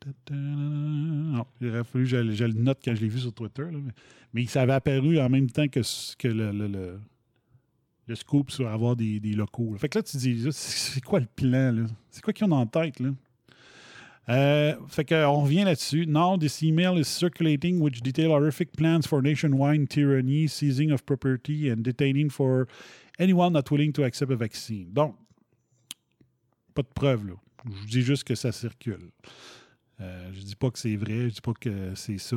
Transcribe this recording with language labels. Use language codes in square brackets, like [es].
[fr] Non, il aurait fallu que je le note quand je l'ai vu sur Twitter. Là, mais ça avait apparu en même temps que le scoop sur avoir des locaux. Là. Fait que là, tu te dis, là, c'est quoi le plan? Là? C'est quoi qu'ils ont en tête? Là? Fait qu'on revient là-dessus. [en] Now, this email is circulating, which detail horrific plans for nationwide tyranny, seizing of property and detaining for anyone not willing to accept a vaccine. [fr] Donc, pas de preuve, là. Je dis juste que ça circule. Je dis pas que c'est vrai, je dis pas que c'est ça.